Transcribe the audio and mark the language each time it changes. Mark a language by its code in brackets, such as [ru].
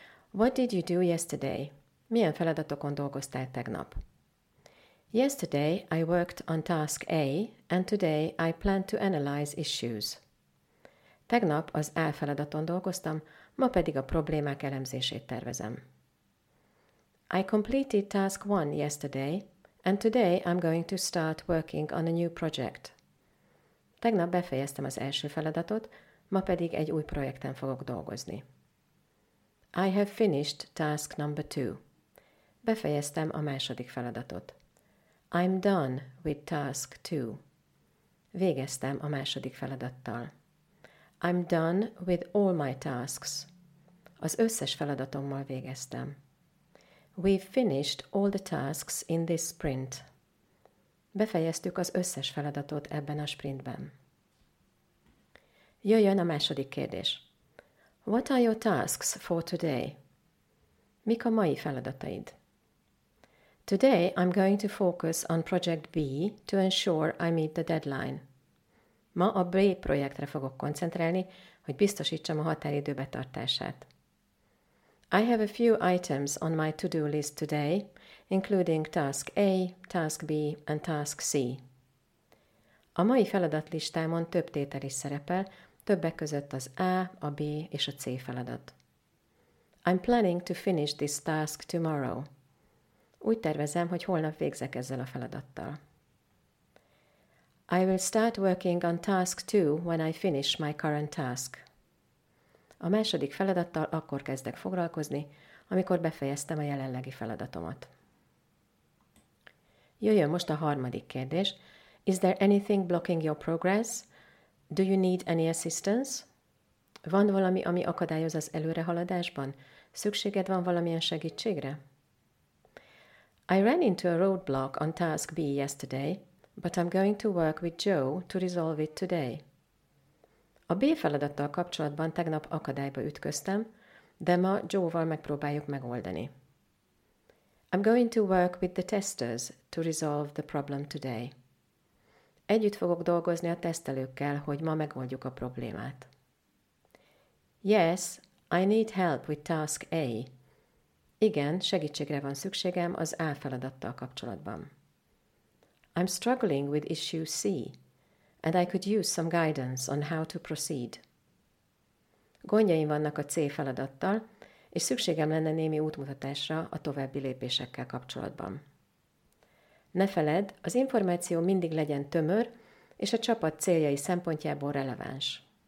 [en] What did you do yesterday? [hu] Milyen feladatokon dolgoztál tegnap? [en] Yesterday I worked on task A, and today I plan to analyze issues. [hu] Tegnap az A feladaton dolgoztam, ma pedig a problémák elemzését tervezem. [en] I completed task 1 yesterday, and today I'm going to start working on a new project. [hu] Tegnap befejeztem az első feladatot, ma pedig egy új projekten fogok dolgozni. [en] I have finished task number 2. [hu] Befejeztem a második feladatot. [en] I'm done with task 2. [hu] Végeztem a második feladattal. [en] I'm done with all my tasks. [hu] Az összes feladatommal végeztem. [en] We've finished all the tasks in this sprint. [hu] Befejeztük az összes feladatot ebben a sprintben. Jöjjön a második kérdés. [en] What are your tasks for today? [hu] Mik a mai feladataid? [en] Today I'm going to focus on project B to ensure I meet the deadline. [hu] Ma a B projektre fogok koncentrálni, hogy biztosítsam a határidő betartását. [en] I have a few items on my to-do list today, including task A, task B and task C. [hu] A mai feladatlistámon több tétel is szerepel, többek között az A, a B és a C feladat. [en] I'm planning to finish this task tomorrow. [hu] Úgy tervezem, hogy holnap végzek ezzel a feladattal. [en] I will start working on task 2 when I finish my current task. [hu] A második feladattal akkor kezdek foglalkozni, amikor befejeztem a jelenlegi feladatomat. Jöjjön most a harmadik kérdés. [en] Is there anything blocking your progress? Do you need any assistance? [hu] Van valami, ami akadályoz az előrehaladásban? Szükséged van valamilyen segítségre? [en] I ran into a roadblock on task B yesterday, but I'm going to work with Joe to resolve it today. [hu] A B feladattal kapcsolatban tegnap akadályba ütköztem, de ma Joe-val megpróbáljuk megoldani. [en] I'm going to work with the testers to resolve the problem today. [hu] Együtt fogok dolgozni a tesztelőkkel, hogy ma megoldjuk a problémát. [en] Yes, I need help with task A. [hu] Igen, segítségre van szükségem az A feladattal kapcsolatban. [en] I'm struggling with issue C, and I could use some guidance on how to proceed. [hu] Gondjaim vannak a C feladattal, és szükségem lenne némi útmutatásra a további lépésekkel kapcsolatban. Ne feledd, az információ mindig legyen tömör, és a csapat céljai szempontjából releváns.